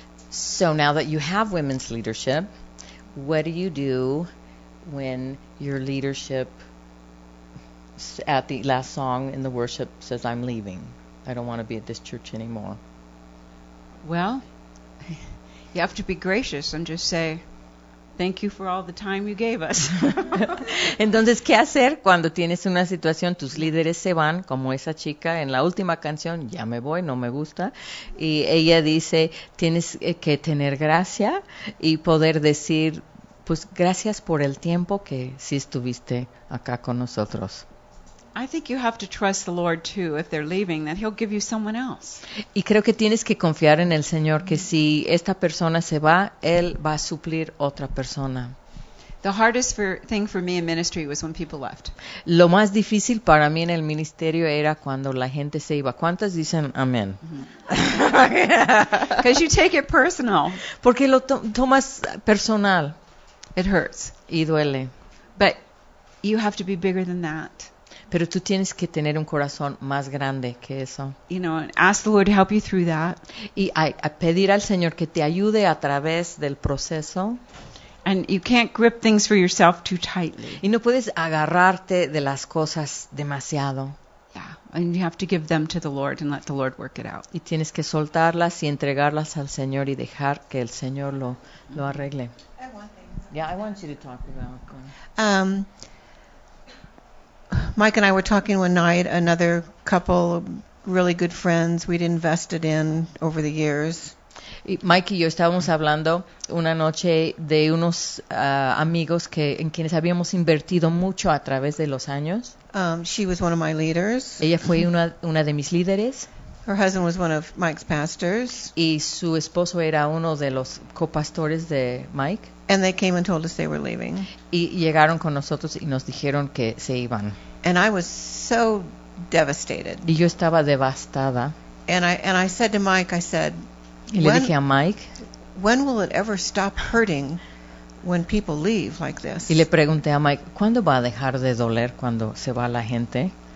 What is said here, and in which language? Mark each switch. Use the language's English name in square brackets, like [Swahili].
[English] So now that you have women's leadership, what do you do when your leadership at the last song in the worship says, I'm leaving, I don't want to be at this church anymore? Well, you have to be gracious and just say, thank you for all the time you gave us. [Spanish] Entonces, ¿qué hacer cuando tienes una situación? Tus líderes se van, como esa chica en la última canción, ya me voy, no me gusta. Y ella dice, tienes que tener gracia y poder decir, pues gracias por el tiempo que sí estuviste acá con nosotros. [English] I think you have to trust the Lord too, if they're leaving, that he'll give you someone else. [Spanish] Y creo que tienes que confiar en el Señor que si esta persona se va, él va a suplir otra persona. [English] The hardest thing for me in ministry was when people left. [Spanish] Lo más difícil para mí en el ministerio era cuando la gente se iba. ¿Cuántas dicen amén? [English] Because you take it personal. [Spanish] Porque lo tomas personal. [English] It hurts. [Spanish] Y duele. [English] But you have to be bigger than that. [Spanish] Pero tú tienes que tener un corazón más grande que eso. [English] You know, ask the Lord to help you through that. [Spanish] Y a pedir al Señor que te ayude a través del proceso. [English] And you can't grip things for yourself too tightly. [Spanish] Y no puedes agarrarte de las cosas demasiado. [English] Yeah, and you have to give them to the Lord and let the Lord work it out. [Spanish] Y tienes que soltarlas y entregarlas al Señor y dejar que el Señor lo arregle. [English] I want you to talk about that. Mike and I were talking one night, another couple, really good friends we'd invested in over the years. [Spanish] Mike y yo estábamos hablando una noche de unos amigos en quienes habíamos invertido mucho a través de los años. [English] She was one of my leaders. [Spanish] Ella fue una de mis líderes. [English] Her husband was one of Mike's pastors. [Spanish] Y su esposo era uno de los copastores de Mike. [English] And they came and told us they were leaving. [Spanish] Y llegaron con nosotros y nos dijeron que se iban. [English] And I was so devastated. [Spanish] Y yo estaba devastada. [English] And I said to Mike, I said, [Spanish] Y le dije a Mike, [English] when will it ever stop hurting when people leave like this? [Spanish] Y le pregunté a Mike, ¿cuándo va a dejar de doler cuando se va la gente?